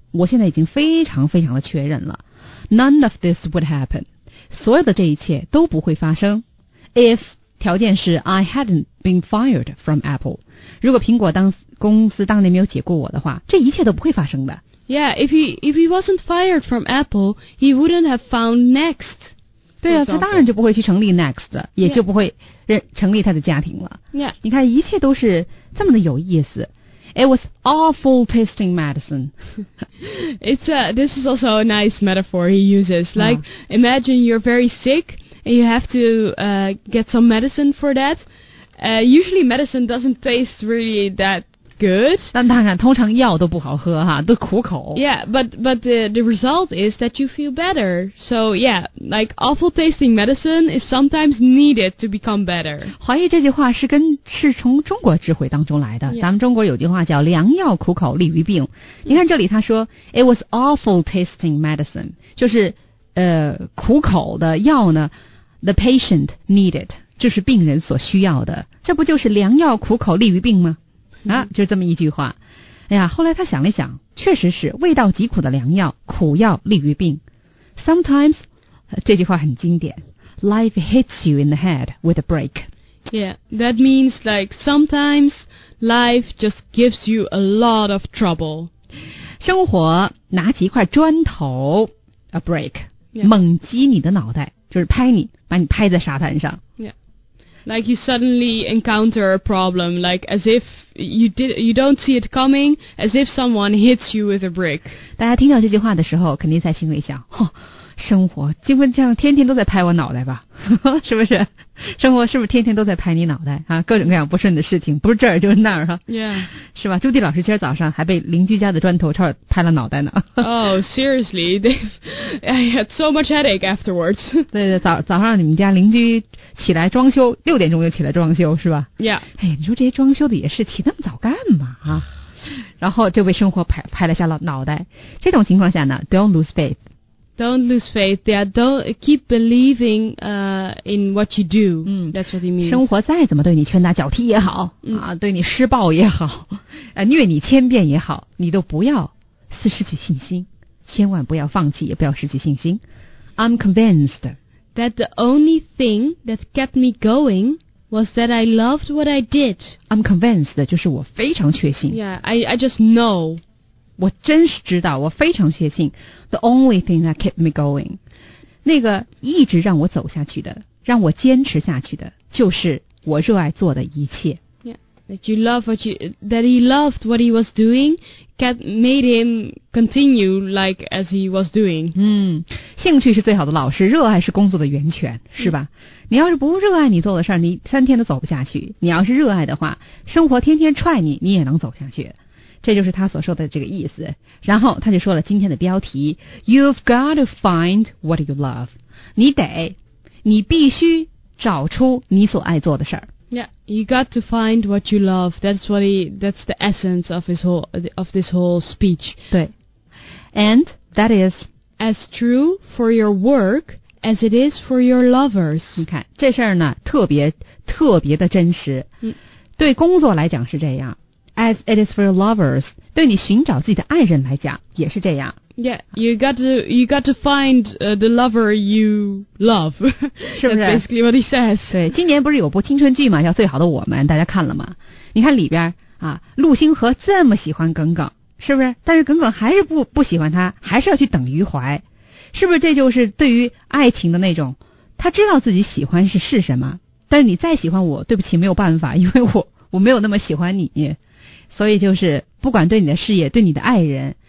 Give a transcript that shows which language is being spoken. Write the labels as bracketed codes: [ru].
[zh] 我现在已经非常非常的确认了。 [en] None of this would happen. [zh] 所有的这一切都不会发生。 [en] If [zh] 条件是 [en] I hadn't been fired from Apple. [zh] 如果苹果公司当年没有解雇我的话，这一切都不会发生的。 [en] Yeah, if he wasn't fired from Apple, he wouldn't have found Next. [zh] 对啊，他当然就不会去成立 Next， 也就不会成立他的家庭了。 [en] Yeah. [zh] 你看，一切都是这么的有意思。 [en] It was awful tasting medicine. This is also a nice metaphor he uses. Like, imagine you're very sick and you have to get some medicine for that. Usually medicine doesn't taste really that good. [zh] 但当然通常药都不好喝哈，都苦口。 [en] Yeah, but the result is that you feel better. So yeah, like awful tasting medicine is sometimes needed to become better. [zh] 怀疑这句话是从中国智慧当中来的。 [en] Yeah. [zh] 咱们中国有句话叫良药苦口利于病。你看这里他说 [en] ,it was awful tasting medicine. [zh] 就是苦口的药呢 , [en] the patient needed. [zh] 就是病人所需要的。这不就是良药苦口利于病吗啊，就这么一句话。哎呀，后来他想了想，确实是味道极苦的良药，苦药利于病。 [en] Sometimes, [zh] 这句话很经典。 [en] Life hits you in the head with a break. Yeah, that means like sometimes life just gives you a lot of trouble. [zh] 生活拿起一块砖头 ， [en] a break，、 yeah. [zh] 猛击你的脑袋，就是拍你，把你拍在沙滩上。 [en] Yeah. Like you suddenly encounter a problem, like as if you don't see it coming, as if someone hits you with a brick. [zh] 大家听到这句话的时候，肯定在心里想：哦，生活今天这样，天天都在拍我脑袋吧？是不是？生活是不是天天都在拍你脑袋啊？各种各样不顺的事情，不是这儿就是那儿哈。 Yeah. 是吧？朱迪老师今儿早上还被邻居家的砖头差点拍了脑袋呢。 [en] Oh, seriously, I had so much headache afterwards. [zh] 对对，早上你们家邻居。起来装修，六点钟就起来装修是吧 [en] ？Yeah。 [zh] 哎，你说这些装修的也是起那么早干嘛啊？然后就被生活拍了下了脑袋。这种情况下呢 ， [en] Don't lose faith。 Don't lose faith. Yeah. Don't keep believing. In what you do.、嗯、 That's what he means. [zh] 生活再怎么对你拳打脚踢也好、嗯、啊，对你施暴也好，虐你千遍也好，你都不要失去信心，千万不要放弃，也不要失去信心。 [en] I'm convinced. That the only thing that kept me going was that I loved what I did. I'm convinced, [zh] 就是我非常确信。 [en] Yeah, I just know. [zh] 我真是知道，我非常确信。 [en] The only thing that kept me going. [zh] 那个一直让我走下去的，让我坚持下去的，就是我热爱做的一切。 [en] That he loved what he was doing, made him continue like as he was doing. [zh] 嗯，兴趣是最好的老师，热爱是工作的源泉，是吧？你要是不热爱你做的事儿，你三天都走不下去。你要是热爱的话，生活天天踹你，你也能走下去。这就是他所说的这个意思。然后他就说了今天的标题 [en] ：You've got to find what you love. [zh] 你必须找出你所爱做的事儿。 [en] Yeah, you got to find what you love. That's the essence of this whole speech. [zh] 对 [en] And that is as true for your work as it is for your lovers. [zh] 你看这事儿呢，特别特别的真实。嗯，对工作来讲是这样 ， [en] as it is for your lovers. [zh] 对你寻找自己的爱人来讲也是这样。 [en] Yeah, you got to find the lover you love. [zh] 是不是 [en] That's basically what he says. [zh] 对，今年不是有部青春剧嘛，叫《最好的我们》，大家看了吗？你看里边啊，陆星河这么喜欢耿耿，是不是？但是耿耿还是不喜欢他，还是要去等余淮，是不是？这就是对于爱情的那种，他知道自己喜欢是什么，但是你再喜欢我，对不起，没有办法，因为我没有那么喜欢你，所以就是不管对你的事业，对你的爱人。